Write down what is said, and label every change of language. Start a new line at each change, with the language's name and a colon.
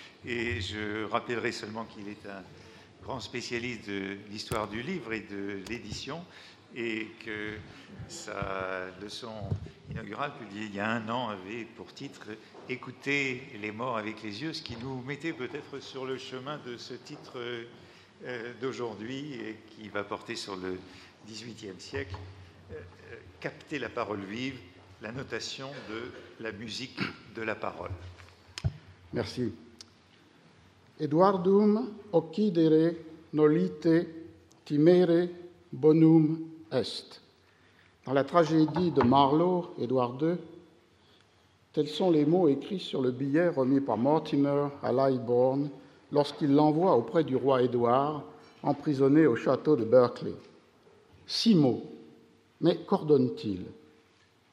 French: Et je rappellerai seulement qu'il est un grand spécialiste de l'histoire du livre et de l'édition et que sa leçon inaugurale publiée il y a un an avait pour titre « Écouter les morts avec les yeux », ce qui nous mettait peut-être sur le chemin de ce titre d'aujourd'hui et qui va porter sur le XVIIIe siècle, capter la parole vive, la notation de la musique de la parole. Merci.
Latin: Eduardum occidere nolite timere bonum est.
French: Dans la tragédie de Marlowe, Édouard II, tels sont les mots écrits sur le billet remis par Mortimer à Lyburn lorsqu'il l'envoie auprès du roi Édouard, emprisonné au château de Berkeley. Six mots, mais qu'ordonne-t-il ?